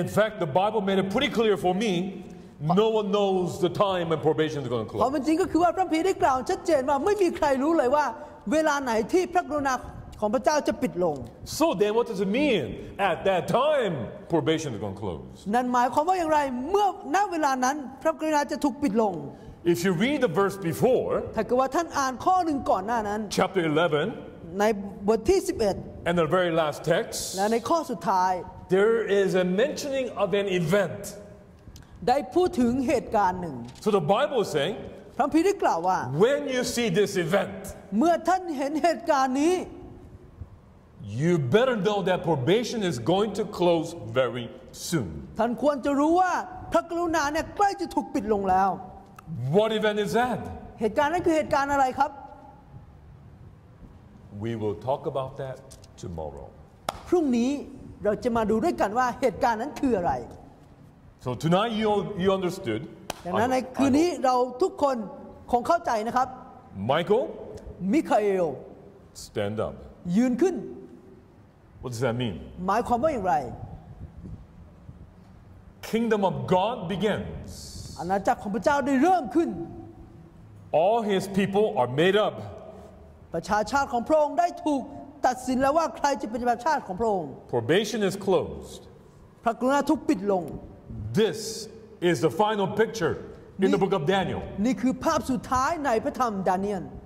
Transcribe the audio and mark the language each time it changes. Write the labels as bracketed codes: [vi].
[en] In fact the Bible made it pretty clear for meNo one knows the time when probation is going to close. [th] ความจริงก็คือว่าพระคัมภีร์ได้กล่าวชัดเจนว่าไม่มีใครรู้เลยว่าเวลาไหนที่พระกรุณาของพระเจ้าจะปิดลง [en] So then, what does it mean? At that time, probation is going to close. [th] นั่นหมายความว่าอย่างไรเมื่อณเวลานั้นพระกรุณาจะถูกปิดลง [en] If you read the verse before, [th] ถ้าเกิดว่าท่านอ่านข้อหนึ่งก่อนหน้านั้น [en] Chapter 11, [th] ในบทที่11 [en] and the very last text, [th] และในข้อสุดท้าย [en] there is a mentioning of an event. [th] ได้พูดถึงเหตุการณ์หนึ่ง [en] So the Bible is saying [th] พระคัมภีร์ได้กล่าวว่า [en] When you see this event [th] เมื่อท่านเห็นเหตุการณ์นี้ [en] You better know that probation is going to close very soon [th] ท่านควรจะรู้ว่าพระกรุณาเนี่ยใกล้จะถูกปิดลงแล้ว [en] What event is that [th] เหตุการณ์นั้นคือเหตุการณ์อะไรครับ [en] We will talk about that tomorrow [th] พรุ่งนี้เราจะมาดูด้วยกันว่าเหตุการณ์นั้นคืออะไร [en] So tonight you understood. [th] ดังนั้นในคืนนี้เราทุกคนคงเข้าใจนะครับ [en] Michael, Michael, stand up. [th] ยืนขึ้น [en] What does that mean? [th] หมายความว่าอย่างไร [en] Kingdom of God begins. [th] อาณาจักรของพระเจ้าได้เริ่มขึ้น [en] All His people are made up. [th] ประชาชาติของพระองค์ได้ถูกตัดสินแล้วว่าใครจะเป็นประชาชาติของพระองค์ [en] Probation is closed. [th] พระกรุณาถูกปิดลง [en] This is the final picture in the book of Daniel. [th] นี่คือภาพสุดท้ายในพระธรรมดาเนียล